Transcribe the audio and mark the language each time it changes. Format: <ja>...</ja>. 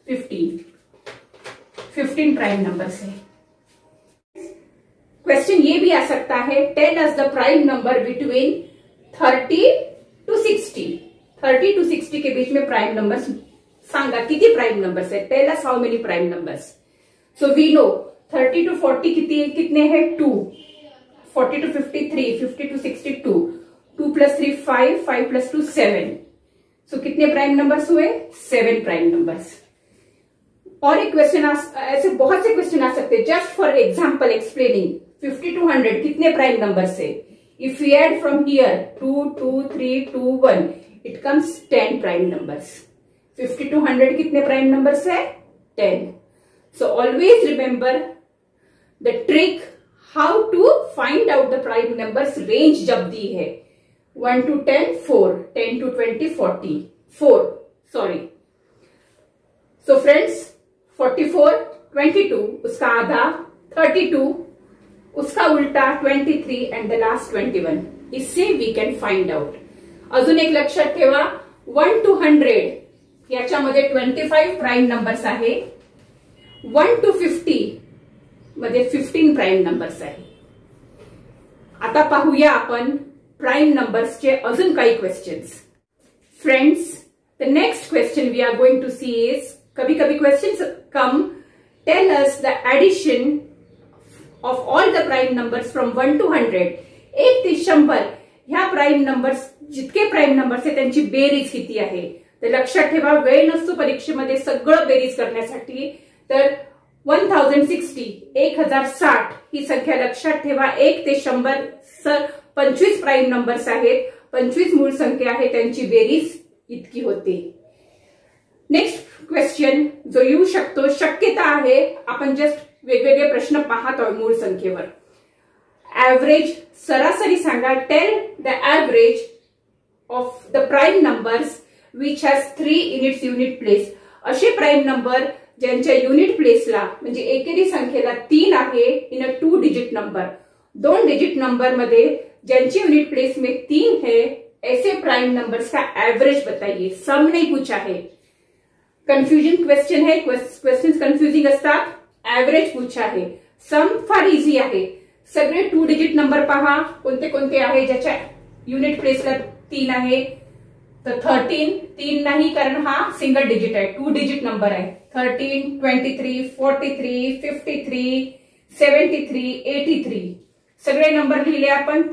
<hi>4, 4 plus 8, 8, 10, 12, 15 prime numbers है। Question ये भी आ सकता है,</hi> <en>Tell us the prime number between 30 to 60।</en> <hi>30 to 60 के बीच में प्राइम नंबर्स सांगा, कितनी प्राइम नंबर्स है,</hi> <en>Tell us how many prime numbers.</en> <hi>So we know 30 to 40 कितने हैं, 2। 40 to 50 3, 50 to 60 2, 2 plus 3 5, 5 plus 2 7। सो कितने प्राइम नंबर्स हुए, 7 प्राइम नंबर्स। और एक क्वेश्चन, ऐसे बहुत से क्वेश्चन आ सकते हैं, just for example explaining 50 to 100 कितने प्राइम नंबर्स है,</hi> <en>If you add from here 2, 2, 3, 2, 1 it comes 10 prime numbers.</en> <hi>50 to 100 कितने प्राइम नंबर्स है, 10।</hi> <en>so always remember the trick how to find out the prime numbers range</en> <hi>जब दी है 1 to 10 4, 10 to 20 40, 4 sorry. So friends 44, 22 उसका आधा, 32 उसका उल्टा, 23 and the last 21,</hi> <en>इससे we can find out.</en> <mr>अजून एक लक्षात ठेवा, 1 to 100 याच्या मध्ये 25 प्राइम नंबर्स आहे, 1 to 50 मध्ये 15 प्राइम नंबर्स आहे। आता पाहूया आपण प्राइम नंबर्स चे अजून काही questions.</mr> <en>friends the next question we are going to see is,</en> <hi>कभी कभी question come,</hi> <en>Tell us the addition of all the prime numbers from 1 to 100।</en> <mr>1 ते 100 ह्या प्राइम नंबर्स, जितके प्राइम नंबर्स आहे त्यांची बेरीज किती आहे, तर लक्षात ठेवा वेळ नसतो परीक्षेमध्ये सगळं बेरीज करण्यासाठी, तर 1060 ही संख्या लक्षात ठेवा। 1 ते 100 25 प्राइम नंबर्स आहेत, 25 मूळ संख्या आहे, त्यांची बेरीज इतकी होते। नेक्स्ट क्वेश्चन जो येऊ शकतो, शक्यता आहे, आपण जस्ट वेगवेगळे प्रश्न पाहत आहोत मूळ संख्येवर। एवरेज सरासरी सांगा,</mr> <en>Tell the average of the prime numbers which has 3 in its unit place.</en> <mr>असे प्राइम नंबर ज्यांच्या युनिट प्लेसला, म्हणजे एकेरी संख्येला 3 आहे in a 2-डिजिट number,</mr> <hi>2 डिजिट नंबर मध्ये ज्यांची युनिट प्लेस में 3 है, ऐसे प्राइम नंबर्स का एवरेज बताइए। सम नहीं पूछा है, कन्फ्यूजन क्वेश्चन है,</hi> <mr>क्वेश्चन कन्फ्यूजिंग असतात,</mr> <hi>एवरेज पूछा है।</hi> <mr>सम फार इजी है, सगळे 2-डिजिट नंबर पहा, कोणते कोणते आहे ज्याच्या युनिट प्लेसला 3 आहे, तर 13, 3 नाही कारण हा सिंगल डिजिट आहे, 2-डिजिट नंबर आहे, 13, 23, 43, 53, 73, 83 सगळे नंबर लिहिले आपण।</mr>